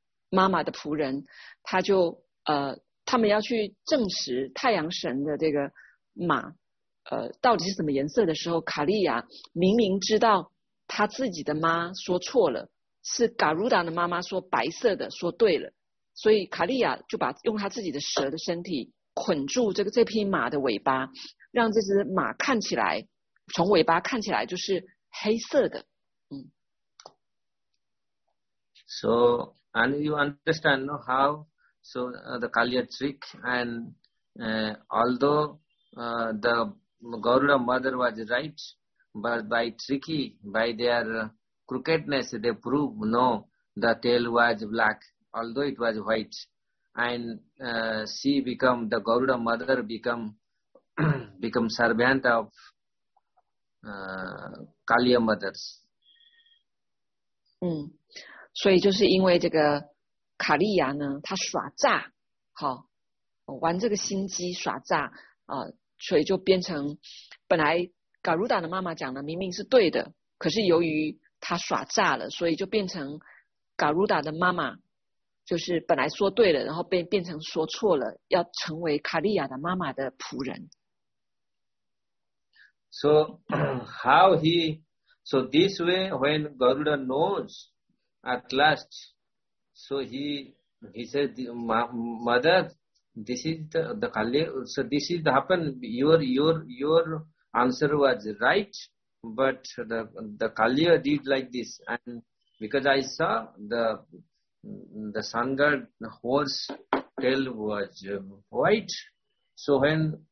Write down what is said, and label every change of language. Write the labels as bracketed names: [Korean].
[Chinese] 妈妈的仆人，他就他们要去证实太阳神的这个马到底是什么颜色的时候，卡利亚明明知道他自己的妈说错了，是嘎鲁达的妈妈说白色的说对了，所以卡利亚就把用他自己的蛇的身体捆住这匹马的尾巴，让这只马看起来，从尾巴看起来就是黑色的。 [English] So and you understand no, how so the Kaliya trick and although the Garuda mother was right. But by tricky, by their crookedness, they prove no, the tail was black, although it was white. And she become, the Garuda mother become servant of Kaliya mothers. [Chinese] 所以就是因为这个卡利亚呢，他耍诈，好，玩这个心机耍诈，所以就变成本来嘎鲁达的妈妈讲的明明是对的，可是由于他耍诈了，所以就变成嘎鲁达的妈妈就是本来说对了，然后变成说错了，要成为卡利亚的妈妈的仆人。 [English] So how he so this way when Garuda knows at last, so he said mother, this is the Kaliya, so this is happen your answer was right, but the Kaliya did like this, and because I saw the sun god horse tail was white, so when